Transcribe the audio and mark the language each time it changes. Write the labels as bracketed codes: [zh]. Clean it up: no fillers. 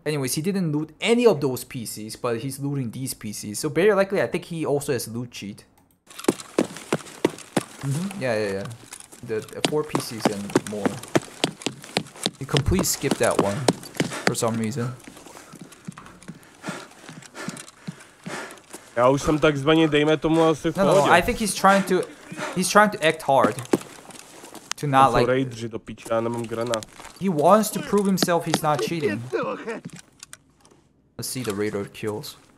[en] Anyways, he didn't loot any of those PCs, but he's looting these PCs. So very likely, I think he also has loot cheat. Mm-hmm. Yeah. The 4 PCs and more. He completely skipped that one for some reason. [cs] Já už jsem takzvaně, dejme tomu asi v pohodě. [en] I think he's trying to act hard. To not like... [cs] To jsou rageři do piče, já nemám grana. [en] He wants to prove himself he's not cheating. Let's see the rate of kills.